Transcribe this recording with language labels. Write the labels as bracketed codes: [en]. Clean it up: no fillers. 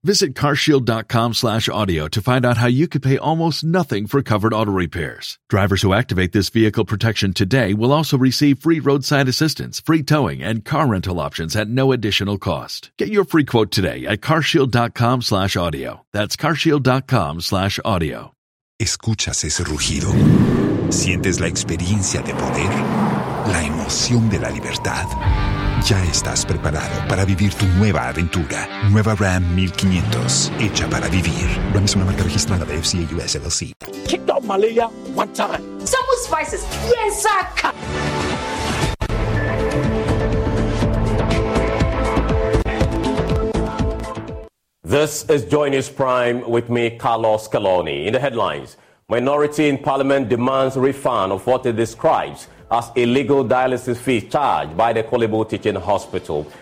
[en] Visit carshield.com/audio to find out how you could pay almost nothing for covered auto repairs. Drivers who activate this vehicle protection today will also receive free roadside assistance, free towing, and car rental options at no additional cost. Get your free quote today at carshield.com/audio. That's carshield.com/audio. [es] ¿Escuchas ese rugido? ¿Sientes la experiencia de poder? La emoción de la libertad. Ya estás preparado para vivir tu nueva aventura. Nueva Ram 1500, hecha para vivir. Ram es una marca registrada de FCA US LLC. [en] Kicked out Malaya one time. Some spices. Yes, sir. This is JoyNews Prime with me, Carlos Caloni. In the headlines, minority in parliament demands refund of what it describes as illegal dialysis fees charged by the Kolebo Teaching Hospital.